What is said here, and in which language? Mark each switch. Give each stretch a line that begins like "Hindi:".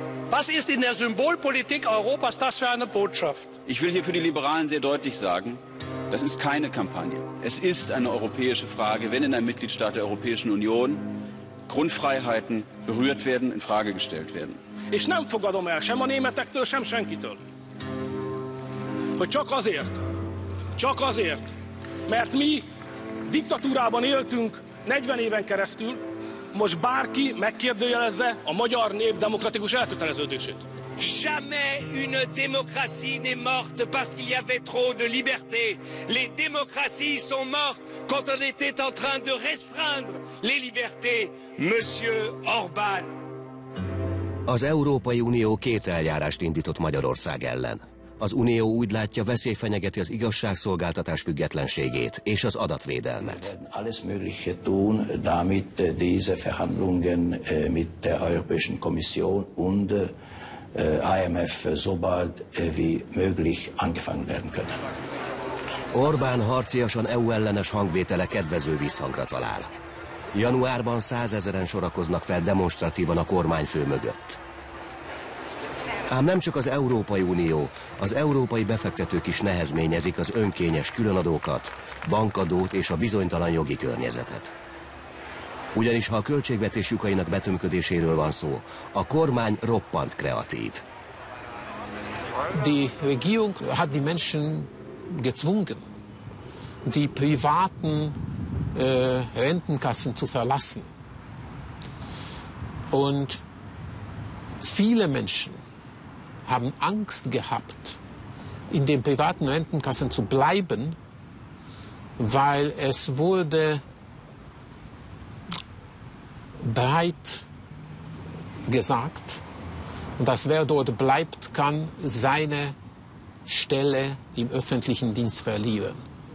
German: Was ist in der Symbolpolitik Europas das für eine Botschaft? Ich will hier für die Liberalen sehr deutlich sagen, das ist keine Kampagne. Es ist eine europäische Frage, wenn in einem Mitgliedstaat der Europäischen Union Grundfreiheiten berührt werden, in Frage gestellt werden.
Hungarian: És nem fogadom el sem a németektől, sem senkitől. Hogy csak azért, mert mi diktatúrában éltünk 40 éven keresztül, most bárki megkérdőjelezze a magyar nép demokratikus elköteleződését.
French: Jamais une démocratie n'est morte parce qu'il y avait trop de liberté. Les démocraties sont mortes quand on était en train de restreindre les libertés, monsieur Orbán.
Hungarian: Az Európai Unió két eljárást indított Magyarország ellen. Az Unió úgy látja, veszély fenyegeti az igazságszolgáltatás függetlenségét és az adatvédelmet.
German: Alles mögliche tun, damit diese Verhandlungen mit der Europäischen Kommission und IMF so bald wie möglich angefangen werden können.
Hungarian: Orbán harciasan EU ellenes hangvétele kedvező visszhangra talál. Januárban 100 000-en sorakoznak fel demonstratívan a kormányfő mögött. Ám nem csak az Európai Unió, az európai befektetők is nehezményezik az önkényes különadókat, bankadót és a bizonytalan jogi környezetet. Ugyanis ha a költségvetés lyukainak betömködéséről van szó, a kormány roppant kreatív.
German: Die Regierung hat die Menschen gezwungen, die privaten Rentenkassen zu verlassen. Und viele Menschen haben Angst gehabt, in den privaten Rentenkassen zu bleiben, weil es wurde breit gesagt, dass wer dort bleibt, kann seine Stelle im öffentlichen Dienst verlieren.